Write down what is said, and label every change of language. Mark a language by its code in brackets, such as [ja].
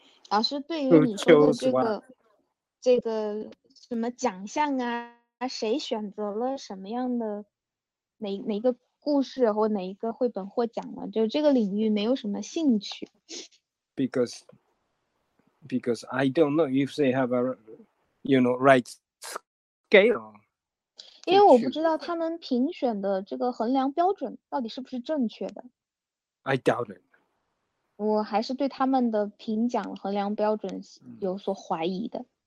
[zh] 老师对于你说的这个这个什么奖项啊，谁选择了什么样的哪个故事或哪一个绘本获奖了，就这个领域没有什么兴趣。 [en] Because I don't know if they have a, you know, right scale. [zh] 因为我不知道他们评选的这个衡量标准到底是不是正确的。 [en] I doubt it. [zh] 我还是对他们的评奖衡量标准有所怀疑的。